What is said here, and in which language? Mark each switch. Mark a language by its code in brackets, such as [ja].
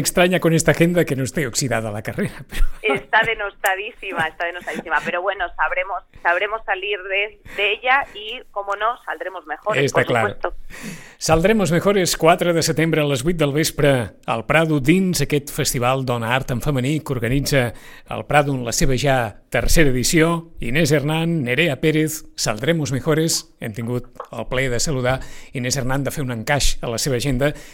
[es] extraña con esta agenda que no esté oxidada la carrera. Pero... Está denostadísima. Pero bueno, sabremos salir de ella y, como no, saldremos mejores. Está por claro. Supuesto. [ca] Saldremos mejores 4 de setembre a les 8 del vespre al Prado, dins aquest festival Dona Art en Femení que organitza el Prado en la seva ja tercera edició. Inés Hernán, Nerea Pérez, Saldremos Mejores. Hem tingut el plaer de saludar Inés Hernán, de fer un encaix a la seva agenda.